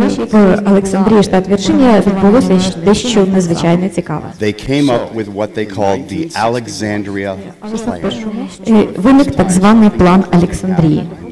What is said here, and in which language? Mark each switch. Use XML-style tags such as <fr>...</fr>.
<uk>В Олександрії, штат Вірджинія, відбулося дещо надзвичайно цікаве.</uk> <en>They came up with what they called the Alexandria plan.</en> <uk>Виник так званий план Олександрії.</uk>